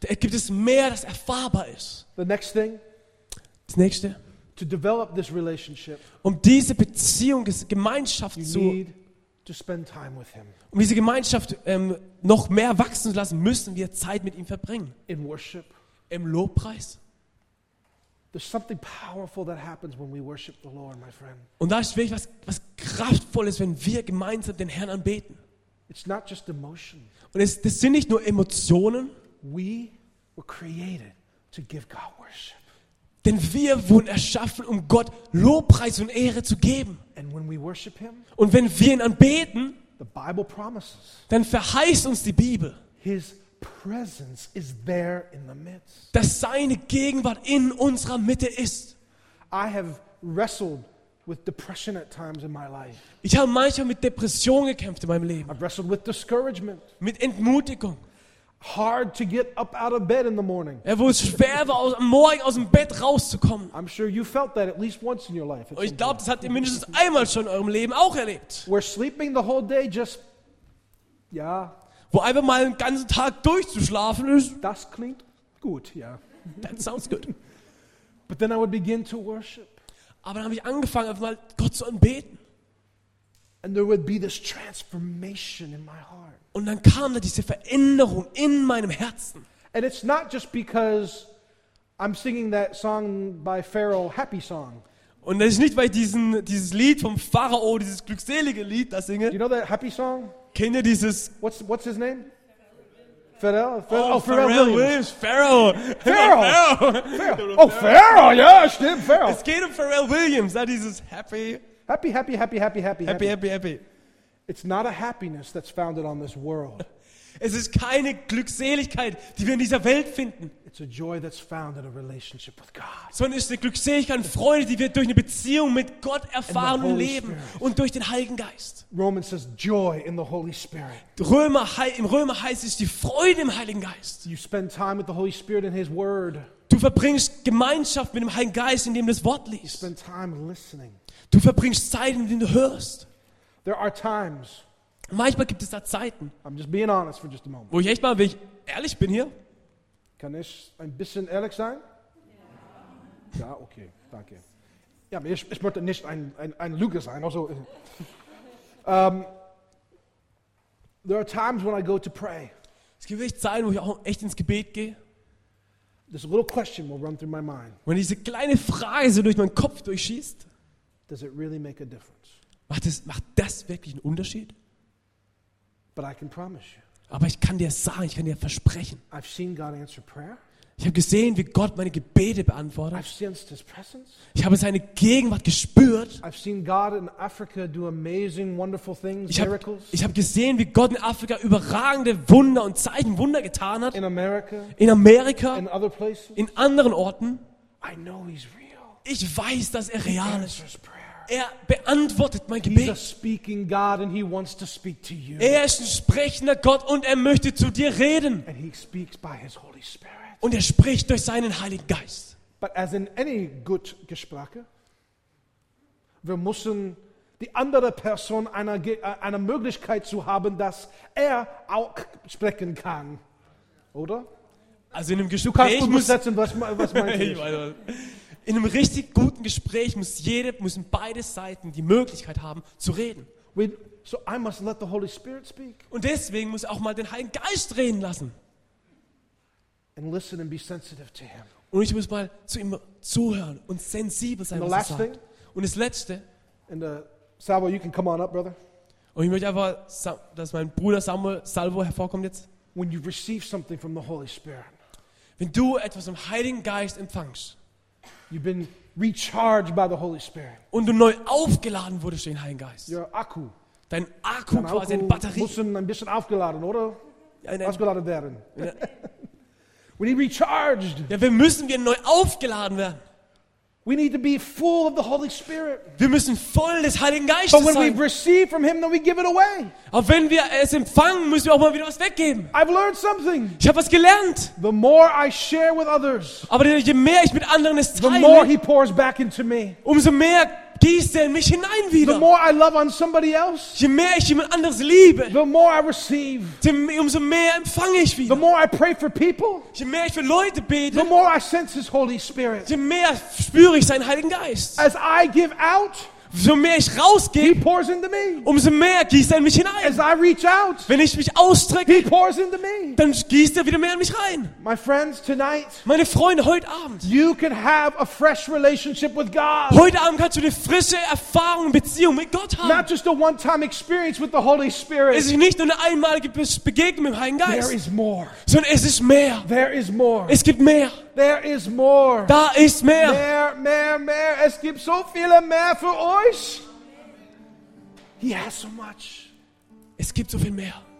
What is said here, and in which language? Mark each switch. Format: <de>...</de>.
<de>Es gibt es mehr, das erfahrbar ist.</de> <en>The next thing.</en> <de>Das nächste.</de> <en>To develop this relationship.</en> <de>Um diese Beziehung, Gemeinschaft zu</de> <en>to spend time with him.</en> <de>Um diese Gemeinschaft noch mehr wachsen zu lassen, müssen wir Zeit mit ihm verbringen.</de> <en>In worship.</en> <de>Im Lobpreis.</de> <en>There's something powerful that happens when we worship the Lord, my friend.</en> <de>Und da ist wirklich was Kraftvolles, wenn wir gemeinsam den Herrn anbeten.</de> <en>It's not just emotion.</en> <de>Und das sind nicht nur Emotionen.</de> <en>We were created to give God worship.</en> <de>Denn wir wurden erschaffen, um Gott Lobpreis und Ehre zu geben.</de> <en>And when we worship him,</en> <de>und wenn wir ihn anbeten,</de> <en>the Bible promises,</en> <de>dann verheißt uns die Bibel,</de> <en>his presence is there in the midst,</en> <de>dass seine Gegenwart in unserer Mitte ist.</de> <en>I have wrestled with depression at times in my life.</en> <de>Ich habe manchmal mit Depression gekämpft in meinem Leben.</de> <en>I've wrestled with discouragement.</en> <de>Mit Entmutigung.</de> <en>Hard to get up out of bed in the morning.</en> <de>Es war schwer, am Morgen aus dem Bett rauszukommen.</de> <en>I'm sure you felt that at least once in your life.</en> <de>Ich glaube, das habt ihr mindestens einmal schon in eurem Leben auch erlebt.</de> <en>We're sleeping the whole day just, yeah.</en> <de>Wo einfach mal den ganzen Tag durchzuschlafen ist. Das klingt gut, ja.</de> <en>Yeah. That sounds good. But then I would begin to worship.</en> <de>Aber dann habe ich angefangen, einfach mal Gott zu anbeten.</de> <en>And there would be this transformation in my heart.</en> <de>Und dann kam da diese Veränderung in meinem Herzen.</de> <en>And it's not just because I'm singing that song by Pharaoh, Happy Song.</en> <de>Und das ist nicht, weil ich dieses Lied vom Pharao, dieses glückselige Lied, da singe.</de> <en>You know that Happy Song?</en> <de>Kennt ihr dieses?</de> <en>What's his name? Pharrell Williams.</en> <de>Pharrell. Ja, stimmt, Pharrell. Es geht um Pharrell Williams, da dieses Happy.</de> <en>Happy. It's not a happiness that's founded on this world.</en> <de>Es ist keine Glückseligkeit, die wir in dieser Welt finden.</de> <en>It's a joy that's found in a relationship with God.</en> <de>Sondern es ist eine Glückseligkeit und Freude, die wir durch eine Beziehung mit Gott erfahren und leben und durch den Heiligen Geist.</de> <en>Romans says joy in the Holy Spirit.</en> <de>Im Römer heißt es die Freude im Heiligen Geist.</de> <en>You spend time with the Holy Spirit in his word.</en> <de>Du verbringst Gemeinschaft mit dem Heiligen Geist, indem du das Wort liest.</de> <en>You spend time listening.</en> <de>Du verbringst Zeit, indem du hörst.</de> <en>There are times.</en> <de>Manchmal gibt es da Zeiten.</de> <en>I'm just being honest for just a moment.</en> <de>Wo ich echt mal, wenn ich ehrlich bin hier. Kann ich ein bisschen ehrlich sein? Ja, okay, danke. Ja, ich möchte nicht ein Lüge sein.</de> <en>Also, there are times when I go to pray.</en> <de>Es gibt echt Zeiten, wo ich auch echt ins Gebet gehe.</de> <en>This little question will run through my mind.</en> <de>Wenn diese kleine Frage so durch meinen Kopf durchschießt.</de> <en>Does it really make a difference?</en> <de>Macht das wirklich einen Unterschied?</de> <en>But I can promise you.</en> <de>Aber ich kann dir sagen, ich kann dir versprechen.</de> <en>I've seen God answer prayer.</en> <de>Ich habe gesehen, wie Gott meine Gebete beantwortet.</de> <en>I've sensed his presence.</en> <de>Ich habe seine Gegenwart gespürt.</de> <en>I've seen God in Africa do amazing, wonderful things, miracles.</en> <de>Ich habe gesehen, wie Gott in Afrika überragende Wunder und Zeichen, Wunder getan hat.</de> <en>In America.</en> <de>In Amerika.</de> <en>In other places.</en> <de>In anderen Orten.</de> <en>I know he's real.</en> <de>Ich weiß, dass er real ist.</de> <en>He answers prayer.</en> <de>er beantwortet mein Gebet.</de> <en>He's a speaking God and he wants to speak to you.</en> <de>Er ist ein sprechender Gott und er möchte zu dir reden.</de> <en>And he speaks by his Holy Spirit.</en> <de>Und er spricht durch seinen Heiligen Geist.</de> <en>But as in any good</en> <de>Gespräche, wir müssen die andere Person eine Möglichkeit zu haben, dass er auch sprechen kann, oder? Also in einem Gespräch muss was meinst du? In einem richtig guten Gespräch müssen beide Seiten die Möglichkeit haben zu reden.</de> <en>So I must let the Holy Spirit speak.</en> <de>Und deswegen muss ich auch mal den Heiligen Geist reden lassen.</de> <en>And listen and be sensitive to him.</en> <de>Und ich muss mal zu ihm zuhören und sensibel sein, was er sagt.</de> <en>Thing,</en> <de>und das Letzte.</de> <en>And Salvo, you can come on up, brother.</en> <de>Und ich möchte einfach, dass mein Bruder Salvo hervorkommt jetzt.</de> <en>When you receive something from the Holy Spirit,</en> <de>wenn du etwas vom Heiligen Geist empfängst,</de> <en>you've been recharged by the Holy Spirit.</en> <de>Und du neu aufgeladen wurdest durch den Heiligen Geist.</de> <en>Your Akku.</en> <de>Dein Akku quasi eine Batterie. Muss ein bisschen aufgeladen, oder? Aufgeladen werden.</de> <en>We need recharged.</en> <de>Ja, wir müssen wieder neu aufgeladen werden.</de> <en>We need to be full of the Holy Spirit.</en> <de>Wir müssen voll des Heiligen Geistes sein.</de> <en>But when we receive from him, then we give it away.</en> <de>Aber wenn wir es empfangen, müssen wir auch mal wieder was weggeben.</de> <en>I've learned something.</en> <de>Ich habe was gelernt.</de> <en>The more I share with others,</en> <de>aber je mehr ich mit anderen es teile,</de> <en>the more he pours back into me.</en> <de>Umso mehr gießt er in mich hinein wieder.</de> <en>The more I love on somebody else,</en> <de>je mehr ich jemand anderes liebe,</de> <en>the more I receive.</en> <de>Umso mehr empfange ich wieder.</de> <en>The more I pray for people,</en> <de>je mehr ich für Leute bete,</de> <en>the more I sense his Holy Spirit.</en> <de>Je mehr spüre ich seinen Heiligen Geist.</de> <en>As I give out,</en> <de>so mehr ich rausgebe,</de> <en>he pours into me.</en> <de>Umso mehr gießt er in mich hinein.</de> <en>As I reach out,</en> <de>wenn ich mich ausstrecke,</de> <en>he pours into me.</en> <de>Dann gießt er wieder mehr in mich rein.</de> <en>My friends, tonight,</en> <de>meine Freunde, heute Abend,</de> <en>you can have a fresh relationship with God.</en> <de>Heute Abend kannst du eine frische Erfahrung, Beziehung mit Gott haben.</de> <en>Not just a one-time experience with the Holy Spirit.</en> <de>Es ist nicht nur eine einmalige Begegnung mit dem Heiligen Geist.</de> <en>There is more.</en> <de>Sondern es ist mehr.</de> <en>There is more.</en> <de>Es gibt mehr.</de> <en>There is more.</en> <de>Da ist mehr. Mehr. Es gibt so viele mehr für euch.</de> <en>He has so much.</en> <de>Es gibt so viel mehr.</de>